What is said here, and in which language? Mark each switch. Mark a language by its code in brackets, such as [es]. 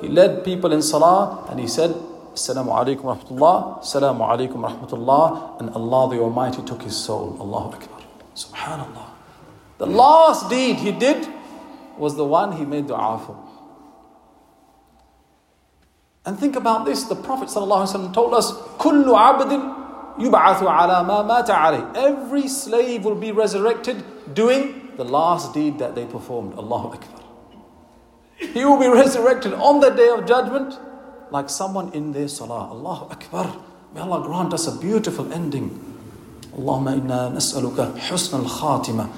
[en] He led people in Salah and he said, Assalamu alaikum rahmatullah, Assalamu alaikum rahmatullah, and Allah the Almighty took his soul. Allahu Akbar. Subhanallah. The last deed he did was the one he made dua for. And think about this. The Prophet ﷺ told us, [ar] كُلُّ عَبْدٍ يُبْعَثُ عَلَى مَا مَاتَ عَلَيْهِ. [en] Every slave will be resurrected doing the last deed that they performed. Allahu Akbar. He will be resurrected on the day of judgment like someone in their salah. Allahu Akbar. May Allah grant us a beautiful ending. [ar] Allahumma inna nas'aluka husna al-khatima.